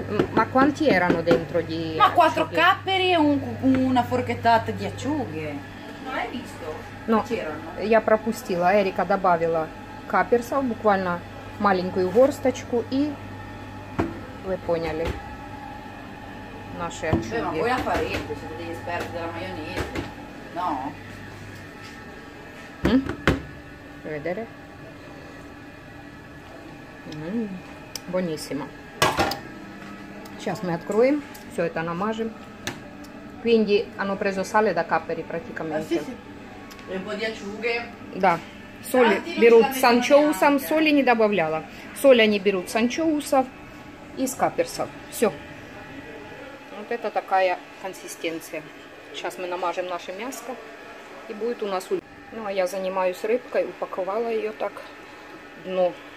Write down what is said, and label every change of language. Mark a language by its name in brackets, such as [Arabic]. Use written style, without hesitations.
[Italian] Ma quanti erano dentro di... Ma quattro capperi e una forchettata di acciughe. Non hai visto? [Russian] No, я пропустила. Эрика добавила каперсов, буквально маленькую горсточку и... Вы поняли. Наши [Italian] acciughe. Ma voi la farete, siete degli esperti della maionese. No? Vedere? Buonissimo. [Russian] Сейчас мы откроем, все это намажем. [Italian] Quindi hanno preso sale da capperi praticamente. Sì, sì. E un po' di acciughe. [Russian] Да. Соли берут с анчоусом, соли не добавляла. Соль они берут с анчоусов и с капперсов. Все. Вот это такая консистенция. Сейчас мы намажем наше мяско и будет у нас уль. Ну а я занимаюсь рыбкой, упаковала ее так дно.